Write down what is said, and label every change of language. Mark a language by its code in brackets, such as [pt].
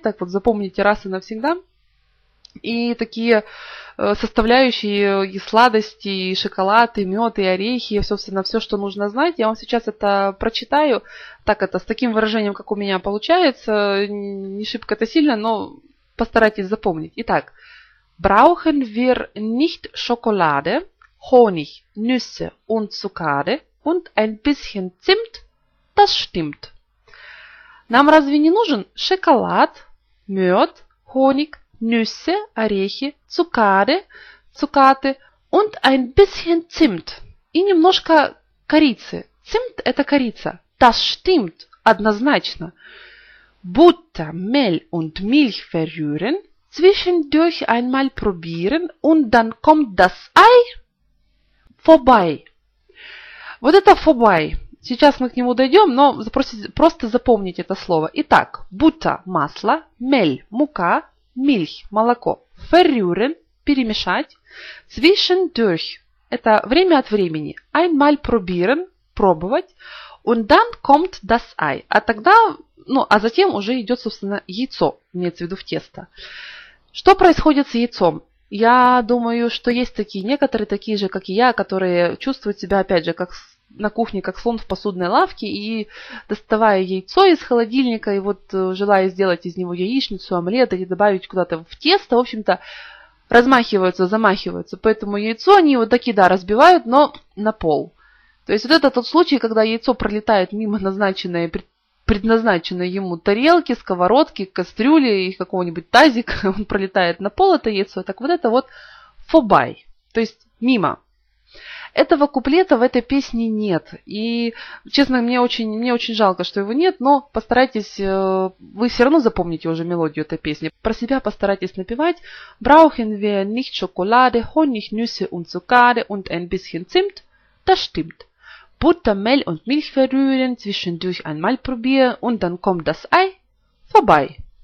[ru] Так вот, запомните раз и навсегда. И такие составляющие и сладости, и шоколад, и мед, и орехи, и, собственно, все, что нужно знать. Я вам сейчас это прочитаю. Так это, с таким выражением, как у меня получается. Не шибко это сильно, но постарайтесь запомнить. Итак. [de] Brauchen wir nicht Schokolade, Honig, Nüsse und Zuckerde und ein bisschen Zimt? Das stimmt. [ru] Нам разве не нужен шоколад, мед, [de] Honig, Nüsse, [ru] орехи, Zuckerde, цукаты, [de] und ein bisschen Zimt. [ru] И немножко корицы. Zimt – это корица. [de] Das stimmt, [ru] однозначно. [de] Butter, Mehl und Milch verrühren, zwischendurch einmal probieren, und dann kommt das Ei vorbei. [ru] Вот это vorbei. Сейчас мы к нему дойдем, но просто запомните это слово. Итак, butter – масло, Mehl – мука, Milch – молоко, verrühren – перемешать, zwischendurch – это время от времени, [de] einmal probieren [ru] – пробовать, [de] und dann kommt das Ei. [ru] А тогда, ну, а затем уже идет, собственно, яйцо, имеется в виду в тесто. Что происходит с яйцом? Я думаю, что есть такие, некоторые такие же, как и я, которые чувствуют себя, опять же, как на кухне, как слон в посудной лавке, и доставая яйцо из холодильника, и вот желая сделать из него яичницу, омлет, или добавить куда-то в тесто, в общем-то, размахиваются, замахиваются. Поэтому яйцо они вот такие, да, разбивают, но на пол. То есть вот это тот случай, когда яйцо пролетает мимо назначенной, предназначенной ему тарелки, сковородки, кастрюли и какого-нибудь тазика, он пролетает на пол это яйцо. Так вот это вот vorbei, то есть мимо. Этого куплета в этой песне нет. И, честно, мне очень жалко, что его нет, но постарайтесь, вы все равно запомните уже мелодию этой песни. Про себя постарайтесь напевать. [de] Brauchen wir nicht Schokolade, Honig, Nüsse und Zucker und ein bisschen Zimt? Das stimmt. Butter, Mehl und Milch verrühren, zwischendurch einmal probieren und dann kommt das Ei vorbei.